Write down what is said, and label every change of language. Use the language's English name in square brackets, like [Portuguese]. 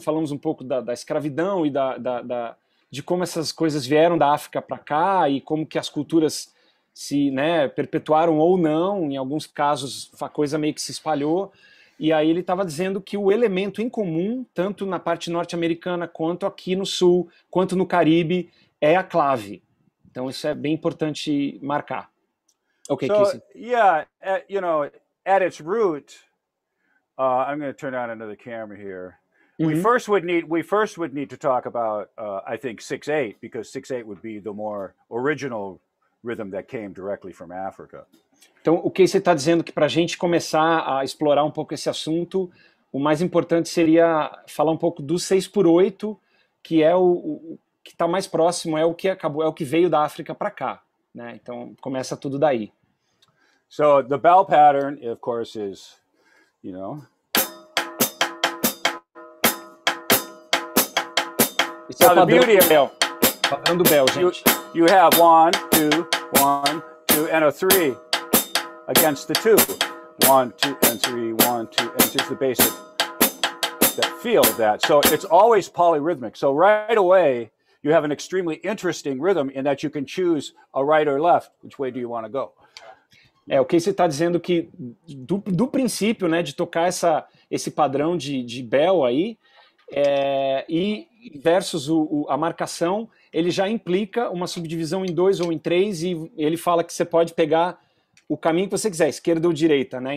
[Portuguese] Falamos um pouco da escravidão e de como essas coisas vieram da África para cá e como que as culturas se, né, perpetuaram ou não. Em alguns casos, a coisa meio que se espalhou. E aí ele estava dizendo que o elemento em comum, tanto na parte norte-americana, quanto aqui no sul, quanto no Caribe, é a clave. Então isso é bem importante marcar. Ok, [English] so, Casey. Yeah, you know, at its root, I'm going to turn on another camera here. Mm-hmm. We first would need to talk about, I think, 6-8, because 6-8 would be the more original rhythm that came directly from Africa. [Portuguese] Então, o que você está dizendo, que para a gente começar a explorar um pouco esse assunto, o mais importante seria falar um pouco do 6x8, que é o que está mais próximo, é o que veio da África para cá, né? Então, começa tudo daí. [English] So, the bell pattern, of course, is, you know... [Portuguese] Esse é o padrão do bell, gente. [English] You have 1, 2, 1, 2, and a 3. Against the two. 1, 2, and 3, 1, 2, and 3 is the basic that feel of that. So it's always polyrhythmic. So right away, you have an extremely interesting rhythm in that you can choose a right or left. Which way do you want to go? [Portuguese] É, o que você está dizendo que do princípio, né, de tocar esse padrão de bell aí, e versus a marcação, ele já implica uma subdivisão em dois ou em três, e ele fala que você pode pegar o caminho que você quiser, esquerda ou direita, né?